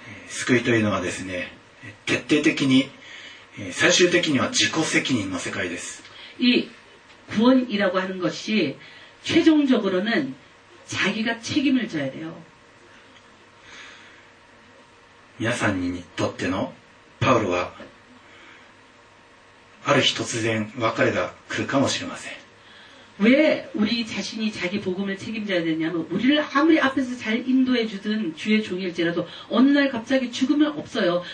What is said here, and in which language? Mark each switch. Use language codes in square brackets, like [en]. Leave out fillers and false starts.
[ja] 救いというのはですね、徹底的に最終的には自己責任の世界です。 [ko] 이구원이라고하는것이최종적으로는자기가책임을져야돼요。 [ja] 皆さんにとってのパウロはある日突然別れが来るかもしれません。 [ko] 왜우리자신이자기복음을책임져야되냐면우리를아무리앞에서잘인도해주든주의종일지라도어느날갑자기죽으면없어요。